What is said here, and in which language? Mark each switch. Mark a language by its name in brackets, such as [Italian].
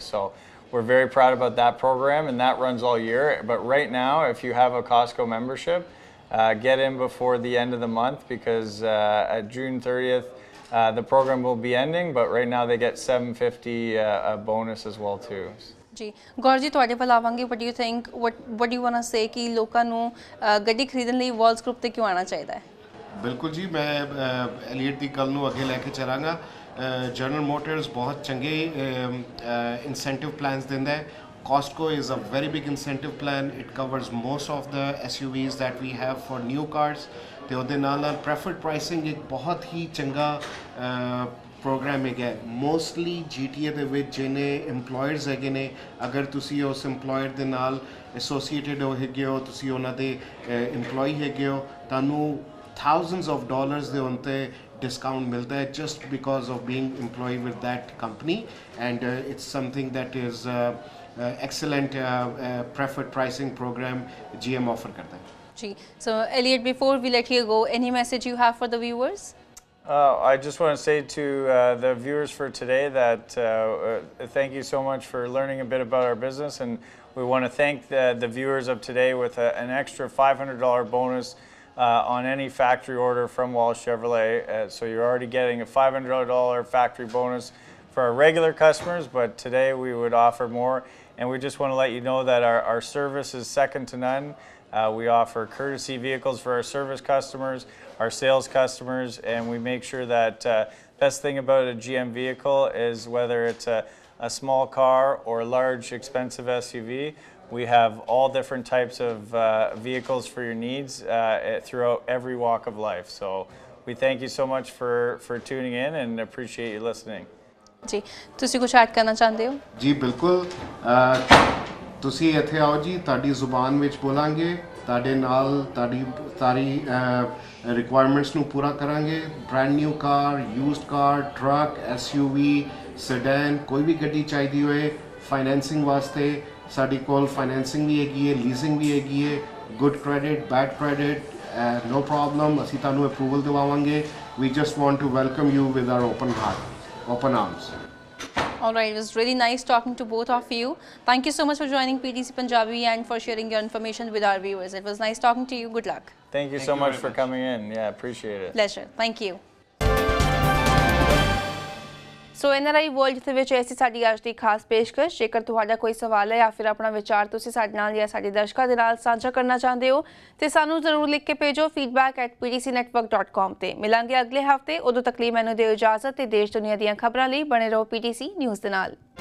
[English] So we're very proud about that program and that runs all year. But right now, if you have a Costco membership, get in before the end of the month because at June 30th, the program will be ending, but right now they get $750 bonus as well too. [Punjabi] ਜੀ ਗੌਰ ਜੀ ਤੁਹਾਡੇ ਵੱਲ ਆਵਾਂਗੇ [English] what you think what you want to say [Punjabi] ਕਿ ਲੋਕਾਂ ਨੂੰ ਗੱਡੀ ਖਰੀਦਣ ਲਈ ਵਾਲਸ ਗਰੁੱਪ ਤੇ ਕਿਉਂ ਆਉਣਾ ਚਾਹੀਦਾ ਹੈ ਬਿਲਕੁਲ ਜੀ ਮੈਂ ਐਲੀਅਟ ਦੀ ਗੱਲ ਨੂੰ ਅੱਗੇ ਲੈ ਕੇ ਚੱਲਾਂਗਾ ਜਨਰਲ ਮੋਟਰਸ ਬਹੁਤ ਚੰਗੇ ਇਨਸੈਂਟਿਵ ਪਲਾਨਸ ਦਿੰਦਾ ਹੈ [English] Costco is a very big incentive plan it covers most of the SUVs that we have for new cars [Punjabi] ਅਤੇ ਉਹਦੇ ਨਾਲ ਨਾਲ ਪ੍ਰੈਫਰਡ ਪ੍ਰਾਈਸਿੰਗ ਇੱਕ ਬਹੁਤ ਹੀ ਚੰਗਾ ਪ੍ਰੋਗਰਾਮ ਹੈਗਾ ਹੈ ਮੋਸਟਲੀ ਜੀ ਟੀ ਏ ਦੇ ਵਿੱਚ ਜਿਹਨੇ ਇੰਪਲੋਇਰਸ ਹੈਗੇ ਨੇ ਅਗਰ ਤੁਸੀਂ ਉਸ ਇੰਪਲੋਇਰ ਦੇ ਨਾਲ ਐਸੋਸੀਏਟਿਡ ਹੈਗੇ ਹੋ ਤੁਸੀਂ ਉਹਨਾਂ ਦੇ ਇੰਪਲੋਈ ਹੈਗੇ ਹੋ ਤੁਹਾਨੂੰ [English] thousands of dollars [Punjabi] ਦੇ ਉੱਤੇ ਡਿਸਕਾਊਂਟ ਮਿਲਦਾ ਹੈ [English] just because of being employee with that company and it's something that is excellent [Punjabi] preferred pricing programme ਜੀ ਐੱਮ ਆਫਰ ਕਰਦਾ ਹੈ [English] So, Elliot, before we let you go, any message you have for the viewers? I just want to say to the viewers for today that thank you so much for learning a bit about our business. And we want to thank the viewers of today with an extra $500 bonus on any factory order from Wallace Chevrolet. So you're already getting a $500 factory bonus for our regular customers. But today we would offer more. And we just want to let you know that our service is second to none. We offer courtesy vehicles for our service customers, our sales customers, and we make sure that the best thing about a GM vehicle is whether it's a small car or a large expensive SUV, we have all different types of vehicles for your needs throughout every walk of life. So We thank you so much for tuning in and appreciate you listening. [Punjabi] ਜੀ ਤੁਸੀਂ ਕੁਝ add ਕਰਨਾ ਚਾਹੁੰਦੇ ਹੋ ਜੀ ਬਿਲਕੁਲ ਤੁਸੀਂ ਇੱਥੇ ਆਓ ਜੀ ਤੁਹਾਡੀ ਜ਼ੁਬਾਨ ਵਿੱਚ ਬੋਲਾਂਗੇ ਤੁਹਾਡੇ ਨਾਲ ਤੁਹਾਡੀ ਸਾਰੀ ਰਿਕੁਆਇਰਮੈਂਟਸ ਨੂੰ ਪੂਰਾ ਕਰਾਂਗੇ ਬ੍ਰੈਂਡ ਨਿਊ ਕਾਰ used car truck SUV sedan ਕੋਈ ਵੀ ਗੱਡੀ ਚਾਹੀਦੀ ਹੋਏ ਫਾਈਨੈਂਸਿੰਗ ਵਾਸਤੇ ਸਾਡੀ ਕੋਲ ਫਾਈਨੈਂਸਿੰਗ ਵੀ ਹੈਗੀ ਹੈ ਲੀਜ਼ਿੰਗ ਵੀ ਹੈਗੀ ਹੈ [English] good credit bad credit no problem [Punjabi] ਅਸੀਂ ਤੁਹਾਨੂੰ approval ਦਿਵਾਵਾਂਗੇ [English] We just want to welcome you with our open heart open arms All right, it was really nice talking to both of you. Thank you so much for joining PTC Punjabi and for sharing your information with our viewers. It was nice talking to you. Good luck. Thank you so much for coming in. Yeah, appreciate it. Pleasure. Thank you. [Punjabi] So N R I world ਦੇ ਵਿੱਚ ਅਸੀਂ ਸਾਡੀ ਅੱਜ ਦੀ ਖਾਸ ਪੇਸ਼ਕਸ਼ ਜੇਕਰ ਤੁਹਾਡਾ ਕੋਈ ਸਵਾਲ ਹੈ ਜਾਂ ਫਿਰ ਆਪਣਾ ਵਿਚਾਰ ਤੁਸੀਂ ਸਾਡੇ ਨਾਲ ਜਾਂ ਸਾਡੇ ਦਰਸ਼ਕਾਂ ਦੇ ਨਾਲ ਸਾਂਝਾ ਕਰਨਾ ਚਾਹੁੰਦੇ ਹੋ ਤਾਂ ਸਾਨੂੰ ਜ਼ਰੂਰ ਲਿਖ ਕੇ ਭੇਜੋ feedback@PTCnetwork.com 'ਤੇ ਮਿਲਾਂਗੇ ਅਗਲੇ ਹਫ਼ਤੇ ਉਦੋਂ ਤੱਕ ਲਈ ਮੈਨੂੰ ਦਿਓ ਇਜਾਜ਼ਤ ਅਤੇ ਦੇਸ਼ ਦੁਨੀਆ ਦੀਆਂ ਖਬਰਾਂ ਲਈ ਬਣੇ ਰਹੋ PTC ਨਿਊਜ਼ ਦੇ ਨਾਲ